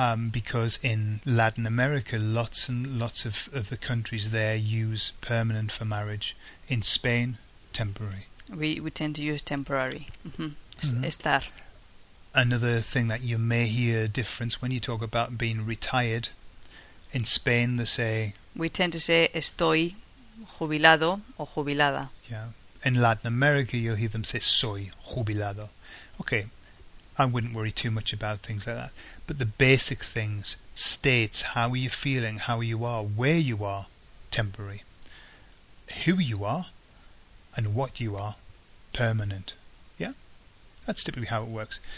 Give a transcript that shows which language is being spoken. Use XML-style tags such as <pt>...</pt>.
<en>Because in Latin America, lots and lots of other countries there use permanent for marriage. In Spain, temporary. We tend to use temporary. Mm-hmm.</en> <es>Estar.</es> <en>Another thing that you may hear a difference when you talk about being retired. In Spain, they say... we tend to say</en> <es>estoy jubilado o jubilada.</es> <en>Yeah. In Latin America, you'll hear them say</en> <es>soy jubilado.</es> <en>Okay. I wouldn't worry too much about things like that. But the basic things, states, how are you feeling, how you are, where you are, temporary. Who you are and what you are, permanent. Yeah? That's typically how it works.</en>